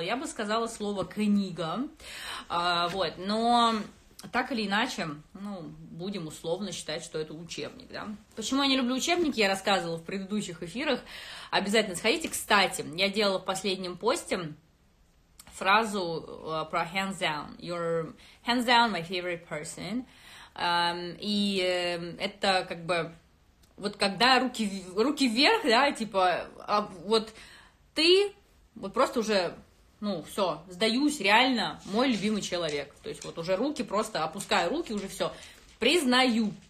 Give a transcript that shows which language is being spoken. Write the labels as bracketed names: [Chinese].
[Russian] Я бы сказала слово книга. Вот, но так или иначе, ну, будем условно считать, что это учебник, да. Почему я не люблю учебники, я рассказывала в предыдущих эфирах. Обязательно сходите. Кстати, я делала в последнем посте фразу про hands down. [English] You're hands down my favorite person. [Russian] И это как бы, вот когда руки вверх, да, типа, вот ты, вот просто уже... Ну, все, сдаюсь, реально, мой любимый человек. То есть вот уже руки, просто опускаю руки, уже все, признаю.